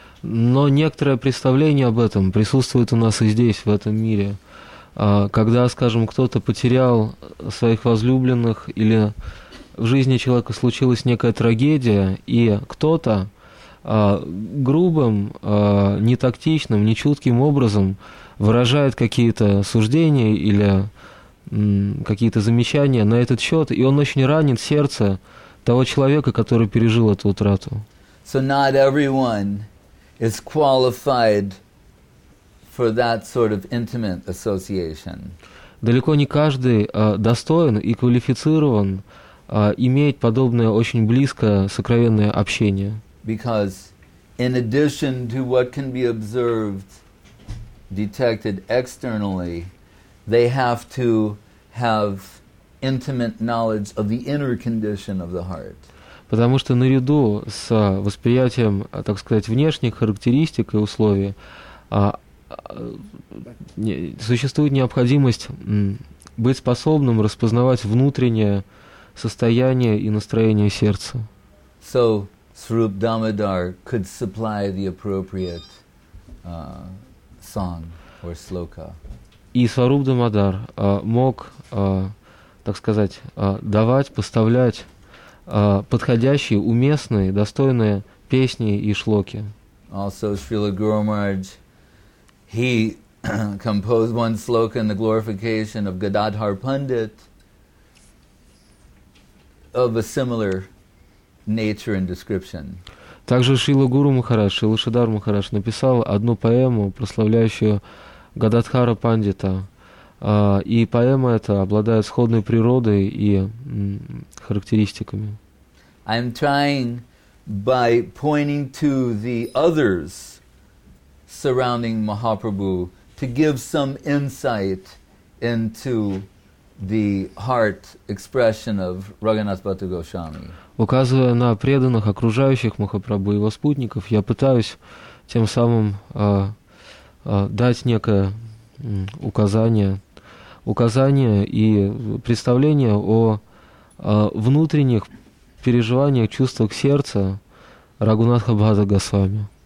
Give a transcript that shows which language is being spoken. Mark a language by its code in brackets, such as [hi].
[ru] Но некоторое представление об этом присутствует у нас и здесь, в этом мире. Когда, скажем, кто-то потерял своих возлюбленных, или в жизни человека случилась некая трагедия, и кто-то грубым, нетактичным, нечутким образом выражает какие-то суждения или какие-то замечания на этот счет, и он очень ранит сердце того человека, который пережил эту утрату. [en] So not everyone is qualified for that sort of intimate association. [ru] Далеко не каждый достоин и квалифицирован иметь подобное очень близкое сокровенное общение. [en] Because in addition to what can be observed, detected externally, they have to have intimate knowledge of the inner condition of the heart. [ru] Потому что наряду с восприятием, так сказать, внешних характеристик и условий, существует необходимость быть способным распознавать внутреннее состояние и настроение сердца. [en] So Srup Damodar could supply the appropriate song or sloka. [ru] И Сваруп Дамодар мог, так сказать, давать, поставлять подходящие, уместные, достойные песни и шлоки. [en] Also Srila Guru Maharaj, he composed one sloka in the glorification of Gadadhar Pandit of a similar nature and description. [ru] Также Шрила Гуру Махарадж, Шрила Шридхар Махарадж написал одну поэму, прославляющую Гададхара Пандита. И поэма эта обладает сходной природой и характеристиками. [en] I'm trying by pointing to the others surrounding Mahaprabhu to give some insight into the heart expression of Raghunath Bhatta Goswami. [ru] Указывая на преданных окружающих Махапрабху, его спутников, я пытаюсь тем самым дать некое указание и представление о внутренних переживаниях, чувствах сердца Рагунатха Бхатта Госвами.